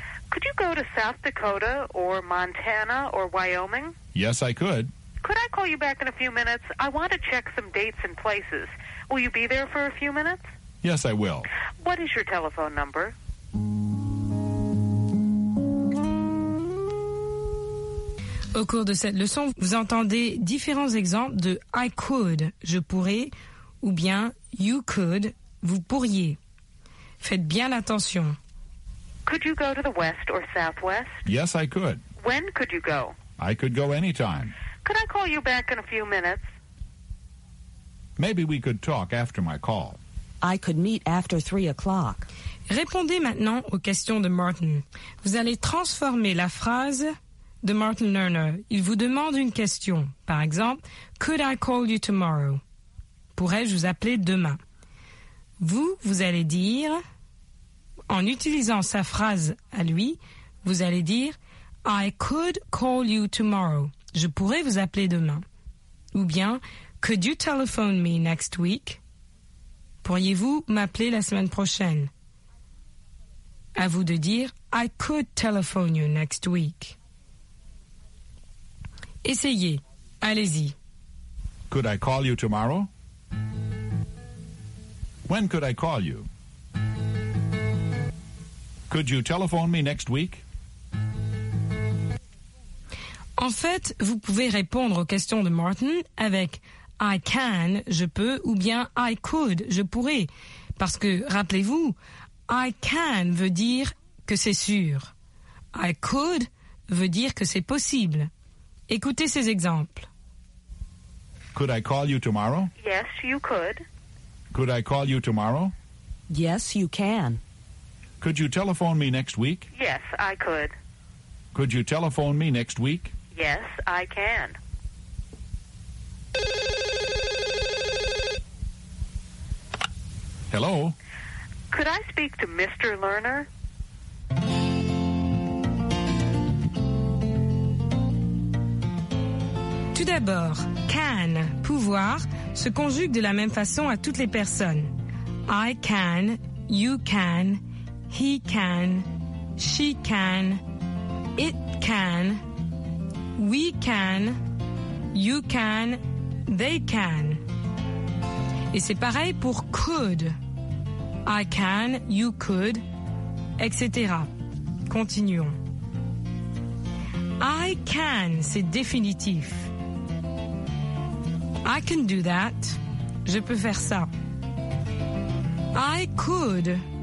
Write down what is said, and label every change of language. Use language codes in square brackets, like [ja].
[en] Could you go to South Dakota or Montana or Wyoming? Yes, I could. Could I call you back in a few minutes? I want to check some dates and places. Will you be there for a few minutes? Yes, I will. What is your telephone number? [fr] Au cours de cette leçon, vous entendez différents exemples de « I could », « je pourrais » ou bien « you could », « vous pourriez ». Faites bien attention. [en] Could you go to the west or southwest? Yes, I could. When could you go? I could go anytime. Could I call you back in a few minutes? Maybe we could talk after my call. I could meet after 3 o'clock. [fr] Répondez maintenant aux questions de Martin. Vous allez transformer la phrase de Martin Lerner. Il vous demande une question. Par exemple, [en] could I call you tomorrow? [fr] Pourrais-je vous appeler demain? Vous, vous allez dire, en utilisant sa phrase à lui, vous allez dire, [en] I could call you tomorrow. [fr] Je pourrais vous appeler demain. Ou bien, [en] could you telephone me next week? [fr] Pourriez-vous m'appeler la semaine prochaine? À vous de dire, [en] I could telephone you next week. [fr] Essayez. Allez-y. [en] Could I call you tomorrow? When could I call you? Could you telephone me next week? [fr] En fait, vous pouvez répondre aux questions de Martin avec I can, je peux, ou bien I could, je pourrais. Parce que, rappelez-vous, I can veut dire que c'est sûr. I could veut dire que c'est possible. Écoutez ces exemples. [en] Could I call you tomorrow? Yes, you could. Could I call you tomorrow? Yes, you can. Could you telephone me next week? Yes, I could. Could you telephone me next week? Yes, I can. Hello? Could I speak to Mr. Lerner? [fr] Tout d'abord, can, pouvoir, se conjugue de la même façon à toutes les personnes. [en] I can, you can, he can, she can, it can, we can, you can, they can. [fr] Et c'est pareil pour could. [en] I can, you could, etc. [fr] Continuons. I can, c'est définitif. [en] I can do that. [fr] Je peux faire ça. [en] I could.